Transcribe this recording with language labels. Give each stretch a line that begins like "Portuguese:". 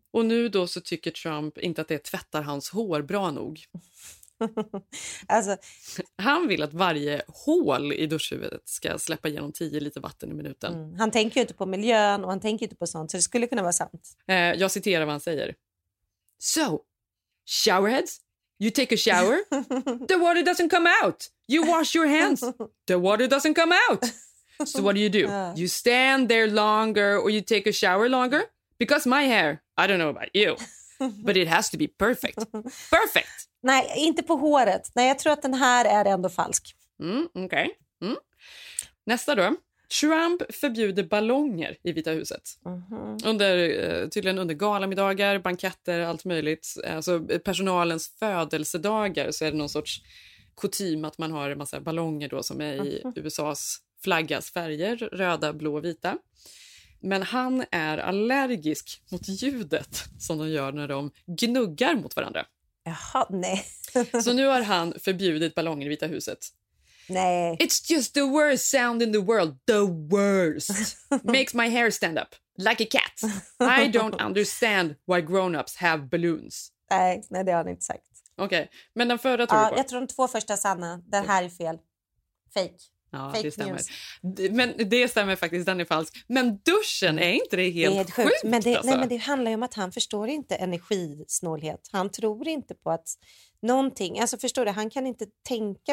Swedish: Och nu då så tycker Trump inte att det tvättar hans hår bra nog. Alltså, han vill att varje hål i duschhuvudet ska släppa igenom 10 liter vatten i minuten. Han tänker ju inte på miljön och han tänker inte på sånt, så det skulle kunna vara sant. Jag citerar vad han säger.
English: So, showerheads? You take a shower, the water doesn't come out. You wash your hands, the water doesn't come out. So what do? You stand there longer or you take a shower longer? Because my hair, I don't know about you, but it has to be perfect. Perfect!
Swedish: Nej, inte på håret. Nej, jag tror att den här är ändå falsk. Okej. Nästa då. Trump förbjuder ballonger i Vita huset. Under, tydligen under galamiddagar, banketter, allt möjligt. Alltså personalens födelsedagar så är det någon sorts kutym att man har en massa ballonger då som är i USAs flaggas färger, röda, blå och vita. Men han är allergisk mot ljudet som de gör när de gnuggar mot varandra. Jaha, nej. Så nu har han förbjudit ballonger i Vita huset. Nej.
English: It's just the worst sound in the world. The worst. Makes my hair stand up. Like a cat. I don't understand why grown-ups have balloons.
Swedish: Nej, det har ni inte sagt. Okej, okay. Men den förra tror jag. Jag tror de två första sanna. Den här är fel. Fake. Ja, fake det stämmer. Men det stämmer faktiskt, den är falsk. Men duschen är inte det helt det sjukt. Sjukt men det, alltså. Nej, men det handlar ju om att han förstår inte energisnålhet. Han tror inte på att... Någonting, alltså förstår du, han kan inte tänka